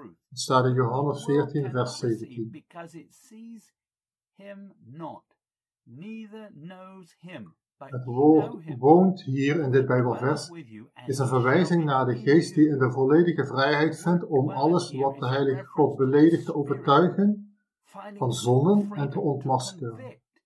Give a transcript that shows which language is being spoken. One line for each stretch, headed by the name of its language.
Dutch: Het staat in Johannes 14, vers 17.
English: Because it sees him not, neither knows him.
Dutch: Het woord woont hier in dit Bijbelvers is een verwijzing naar de geest die in de volledige vrijheid vindt om alles wat de Heilige God beledigt te overtuigen van zonden en te ontmaskeren.